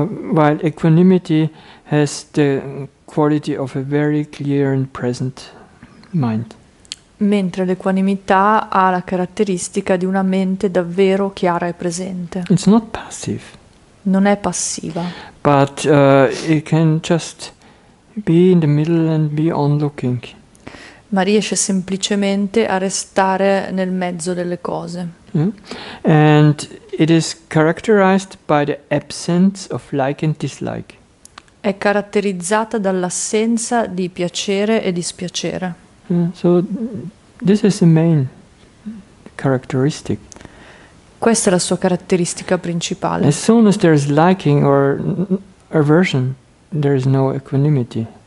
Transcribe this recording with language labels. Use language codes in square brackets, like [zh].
[en] While equanimity has the quality of a very clear and present mind. [it] Mentre l'equanimità ha la caratteristica di una mente davvero chiara e presente. [en] It's not passive. [it] Non è passiva. [en] But it can just be in the middle and be on looking. [it] Ma riesce semplicemente a restare nel mezzo delle cose. [en] Yeah. And it is characterized by the absence of like and dislike. [it] È caratterizzata dall'assenza di piacere e dispiacere. [en] Yeah. So this is the main characteristic. [it] Questa è la sua caratteristica principale. [en] As soon as there is liking or aversion, there is no equanimity.